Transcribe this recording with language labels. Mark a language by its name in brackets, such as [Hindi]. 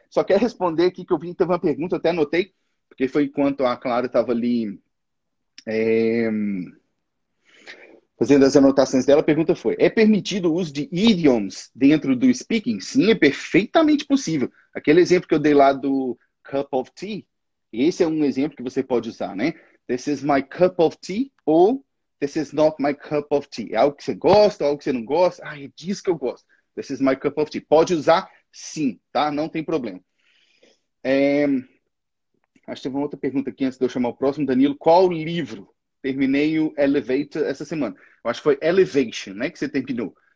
[Portuguese] Só quero responder aqui que eu vim ter uma pergunta, até anotei, porque foi enquanto a Clara estava ali. Fazendo as anotações dela, a pergunta foi: é permitido o uso de idioms dentro do speaking? Sim, é perfeitamente possível. Aquele exemplo que eu dei lá do cup of tea, esse é um exemplo que você pode usar, né? [English] This is my cup of tea ou this is not my cup of tea. [Portuguese] É algo que você gosta, algo que você não gosta? Ah, é disso que eu gosto. [English] This is my cup of tea. [Portuguese] Pode usar? Sim, tá? Não tem problema. Acho que teve uma outra pergunta aqui antes de eu chamar o próximo, Danilo. Qual livro? Terminei o Elevator essa semana. Eu acho que foi Elevation, né? Que você terminou.